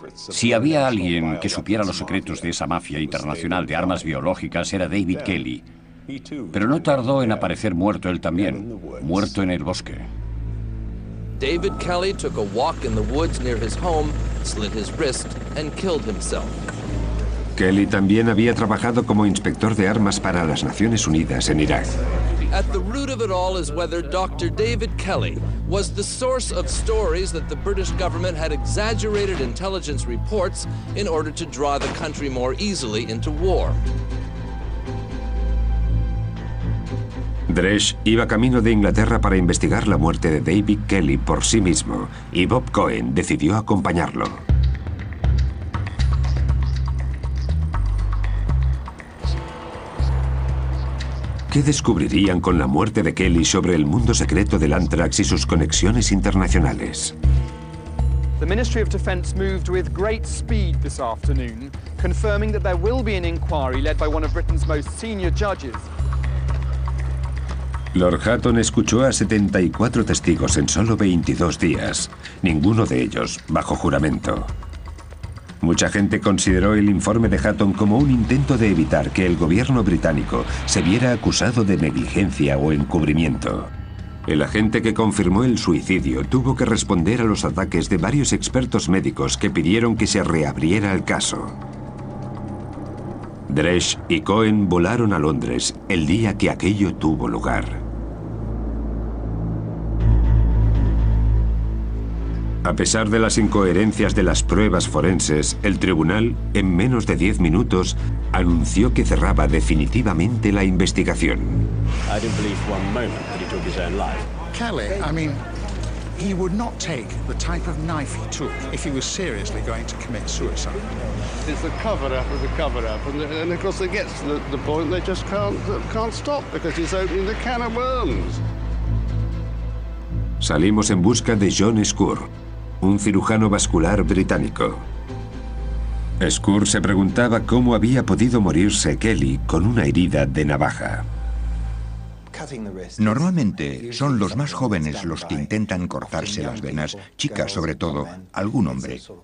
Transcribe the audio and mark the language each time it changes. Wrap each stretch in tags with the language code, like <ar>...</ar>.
<es>Si había alguien que supiera los secretos de esa mafia internacional de armas biológicas, era David Kelly. Pero no tardó en aparecer muerto él también, muerto en el bosque.</es> <en>David Kelly took a walk in the woods near his home, slit his wrist, and killed himself.</en> <es>Kelly también había trabajado como inspector de armas para las Naciones Unidas en Irak.</es> <en>At the root of it all is whether Dr. David Kelly was the source of stories that the British government had exaggerated intelligence reports in order to draw the country more easily into war.</en> <es>Dresch iba camino de Inglaterra para investigar la muerte de David Kelly por sí mismo, y Bob Cohen decidió acompañarlo. ¿Qué descubrirían con la muerte de Kelly sobre el mundo secreto del anthrax y sus conexiones internacionales?</es> <en>The Ministry of Defense moved with great speed this afternoon, confirming that there will be an inquiry led by one of Britain's most senior judges.</en> <es>Lord Hutton escuchó a 74 testigos en solo 22 días, ninguno de ellos bajo juramento. Mucha gente consideró el informe de Hutton como un intento de evitar que el gobierno británico se viera acusado de negligencia o encubrimiento. El agente que confirmó el suicidio tuvo que responder a los ataques de varios expertos médicos que pidieron que se reabriera el caso. Dresch y Cohen volaron a Londres el día que aquello tuvo lugar. A pesar de las incoherencias de las pruebas forenses, el tribunal, en menos de 10 minutos, anunció que cerraba definitivamente la investigación.</es> <en>I didn't believe for one moment that he took his own life. Kelly, I mean, He would not take the type of knife he took if he was seriously going to commit suicide. It's a cover-up of the cover-up, and of course it gets to the point they just can't stop because he's opening the can of worms.</en> <es>Salimos en busca de John Skuhr, un cirujano vascular británico. Skuhr se preguntaba cómo había podido morirse Kelly con una herida de navaja. Normalmente son los más jóvenes los que intentan cortarse las venas, chicas sobre todo, algún hombre.</es>